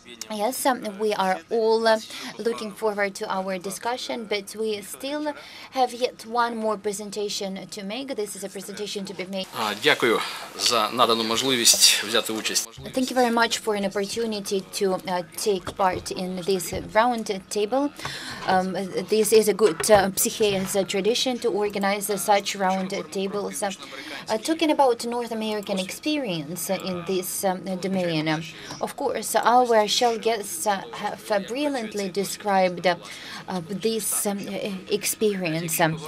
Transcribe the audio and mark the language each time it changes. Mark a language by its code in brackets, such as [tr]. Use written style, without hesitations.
[en] Yes, we are all looking forward to our discussion, but we still have yet one more presentation to make. This is a presentation to be made. [uk] Дякую за надану можливість взяти участь. [en] Thank you very much for an opportunity to take part in this round table. This is a good Pcixei's tradition to organize such round tables. Talking about North American experience in this domain, of course, our Shell guests have brilliantly described this experience.